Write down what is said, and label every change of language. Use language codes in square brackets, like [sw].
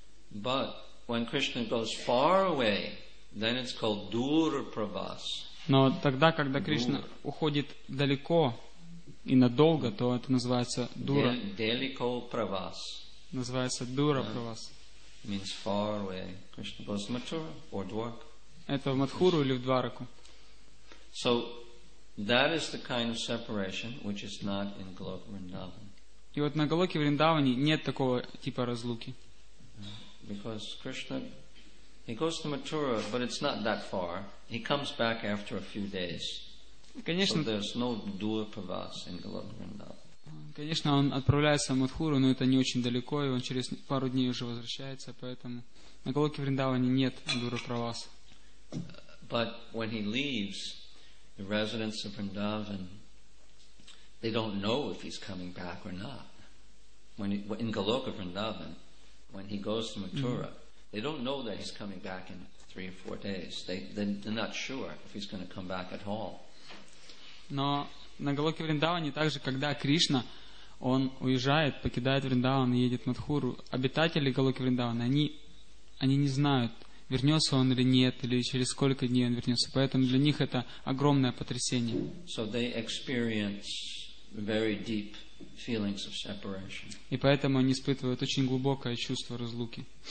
[en] But when Krishna goes far away, then it's called dur pravas. [ru] Но тогда, когда Кришна уходит далеко и надолго, то это называется дура. Далеко pravas. Называется дура pravas. [en] Means far away. Krishna goes to Mathura or Dwarka. [ru] Это в Мадхуру или в Двараку. [en] So that is the kind of separation which is not in Goloka Vrindavan. [ru] И вот на Голоке Вриндаване нет такого типа разлуки. [en] Because Krishna, he goes to Mathura, but it's not that far. He comes back after a few days. [ru] Конечно, [en] so there's no dur pravas in Goloka Vrindavan. [ru] Конечно, он отправляется в Мадхуру, но это не очень далеко, и он через пару дней уже возвращается, поэтому на Голоке Вриндаване нет дур pravas. [en] But when he leaves, the residents of Vrindavan, they don't know if he's coming back or not. In Goloka Vrindavan, when he goes to Mathura, they don't know that he's coming back in 3 or 4 days. They're not sure if he's going to come back at all. [ru] Но на Голоке Вриндаване также, когда Кришна, он уезжает, покидает Вриндаван и едет в Мадхуру, обитатели Голоки Вриндавана, они не знают, вернется он или нет, или через сколько дней он вернется. Поэтому для них это огромное потрясение. [en] So they experience very deep feelings of separation. [ru] И поэтому они испытывают очень глубокое чувство разлуки.